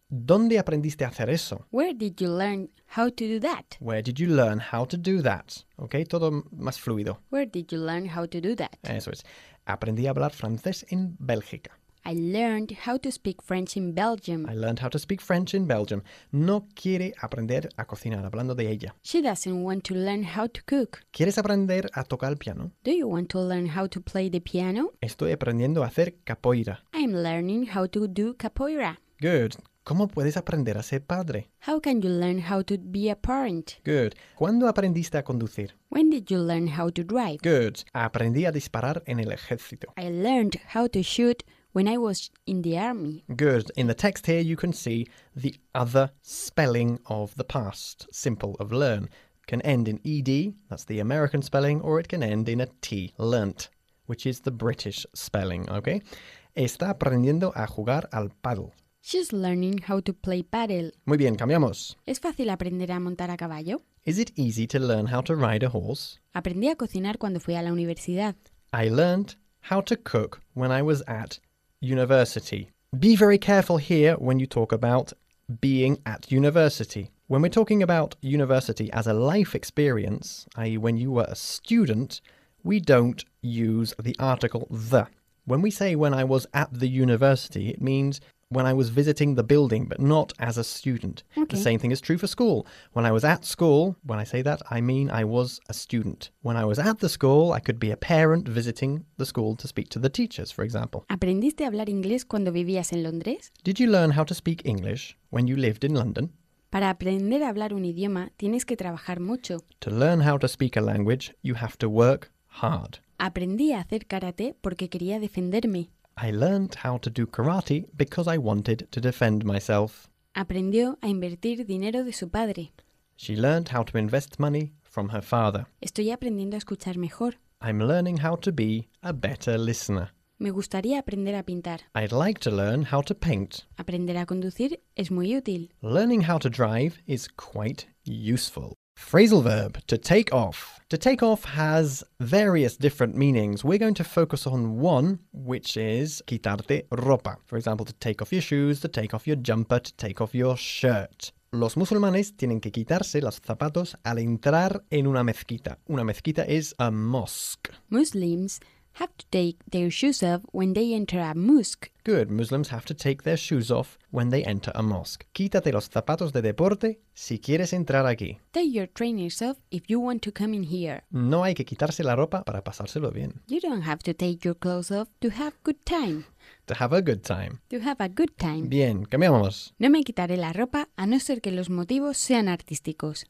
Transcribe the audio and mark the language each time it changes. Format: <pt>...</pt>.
<es>¿Dónde aprendiste a hacer eso?</es> <en>Where did you learn how to do that? Where did you learn how to do that?</en> <es>Okay, todo más fluido.</es> <en>Where did you learn how to do that?</en> <es>Eso es. Aprendí a hablar francés en Bélgica.</es> <en>I learned how to speak French in Belgium. I learned how to speak French in Belgium.</en> <es>No quiere aprender a cocinar, hablando de ella.</es> <en>She doesn't want to learn how to cook.</en> <es>¿Quieres aprender a tocar el piano?</es> <en>Do you want to learn how to play the piano?</en> <es>Estoy aprendiendo a hacer capoeira.</es> <en>I'm learning how to do capoeira.</en> <es>Good. ¿Cómo puedes aprender a ser padre?</es> <en>How can you learn how to be a parent?</en> <es>Good. ¿Cuándo aprendiste a conducir?</es> <en>When did you learn how to drive?</en> <es>Good. Aprendí a disparar en el ejército.</es> <en>I learned how to shoot when I was in the army. Good. In the text here, you can see the other spelling of the past simple of learn. Can end in ed, that's the American spelling, or it can end in a t, learnt, which is the British spelling, okay?</en> <es>Está aprendiendo a jugar al paddle.</es> <en>She's learning how to play paddle.</en> <es>Muy bien, cambiamos. ¿Es fácil aprender a montar a caballo?</es> <en>Is it easy to learn how to ride a horse?</en> <es>Aprendí a cocinar cuando fui a la universidad.</es> <en>I learned how to cook when I was at university. Be very careful here when you talk about being at university. When we're talking about university as a life experience, i.e. when you were a student, we don't use the article the. When we say when I was at the university, it means when I was visiting the building, but not as a student. Okay. The same thing is true for school. When I was at school, when I say that, I mean I was a student. When I was at the school, I could be a parent visiting the school to speak to the teachers, for example.</en> <es>¿Aprendiste a hablar inglés cuando vivías en Londres?</es> <en>Did you learn how to speak English when you lived in London?</en> <es>Para aprender a hablar un idioma, tienes que trabajar mucho.</es> <en>To learn how to speak a language, you have to work hard.</en> <es>Aprendí a hacer karate porque quería defenderme.</es> <en>I learned how to do karate because I wanted to defend myself.</en> <es>Aprendió a invertir dinero de su padre.</es> <en>She learned how to invest money from her father.</en> <es>Estoy aprendiendo a escuchar mejor.</es> <en>I'm learning how to be a better listener.</en> <es>Me gustaría aprender a pintar.</es> <en>I'd like to learn how to paint.</en> <es>Aprender a conducir es muy útil.</es> <en>Learning how to drive is quite useful. Phrasal verb, to take off. To take off has various different meanings. We're going to focus on one, which is</en> <es>quitarte ropa.</es> <en>For example, to take off your shoes, to take off your jumper, to take off your shirt.</en> <es>Los musulmanes tienen que quitarse los zapatos al entrar en una mezquita.</es> <en>Una mezquita is a mosque. Muslims have to take their shoes off when they enter a mosque. Good. Muslims have to take their shoes off when they enter a mosque.</en> <es>Quítate los zapatos de deporte si quieres entrar aquí.</es> <en>Take your trainers off if you want to come in here.</en> <es>No hay que quitarse la ropa para pasárselo bien.</es> <en>You don't have to take your clothes off to have good time. To have a good time. To have a good time.</en> <es>Bien, cambiamos. No me quitaré la ropa a no ser que los motivos sean artísticos.</es>